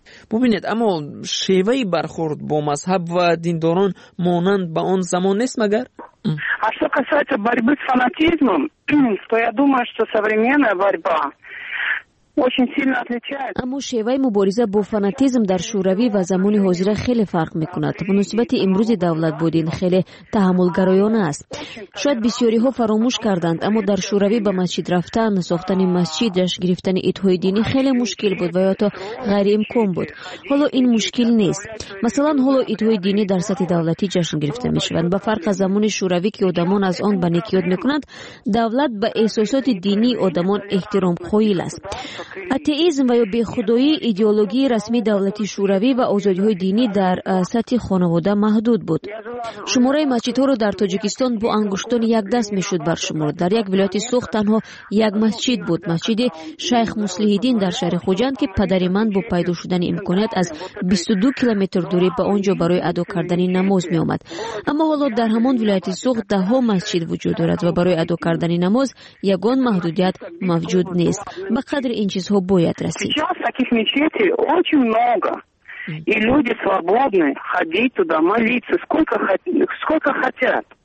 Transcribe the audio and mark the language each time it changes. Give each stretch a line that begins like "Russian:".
Persian: ببینید، اما شیوه برخورد با مذهب و دینداران مانند به آن زمان نیست مگر؟
Russian: А что касается борьбы с фанатизмом, то я думаю, что современная борьба очень сильно отличается.
Tajik: Аму шевай мубориза бо фанатизм дар шурави ва замони ҳозира хеле фарқ мекунад. Муносибати имрӯзи давлат бо дин хеле таҳаммулгароёна аст. Шояд бисёриҳо фаромӯш карданд, аммо дар шурави ба масҷид рафтан, сохтани масҷид, ҷаш гирифтани идҳои динӣ хеле мушкил буд ва ё то ғайриимкон буд. Ҳоло ин мушкил нест. Масалан, ҳоло идҳои динӣ дар сатҳи давлатӣ ҷашн гирифта мешаванд. Ба фарқ аз замони шурави, ки одамон аз он ба некиёд мекунанд, давлат ба эҳсосоти динии одамон эҳтиром қоил аст. Атеїзм ва ё бехудоӣ идеологии расмии давлати шӯравӣ ва озодиҳои динӣ дар сатҳи хонавода маҳдуд буд. Шумораи масҷидҳоро дар Тоҷикистон бо ангуштони як даст мешуд баршуморд. Дар як вилояти суғд танҳо як масҷид буд, масҷиди Шайх Муслиҳиддин дар шаҳри Хуҷанд, ки падари ман бо пайдо шудани имконият аз 22 километр дурӣ ба онҷо барои адо кардани намоз меомад. Аммо ҳоло дар ҳамон вилояти суғд даҳҳо масҷид вуҷуд дорад ва барои адо кардани намоз ягон маҳдудият мавҷуд нест. Ба қадри این چیزها باید رسید.
Russian: Сейчас таких мечетей очень много. И люди свободны ходить туда молиться сколько хотят.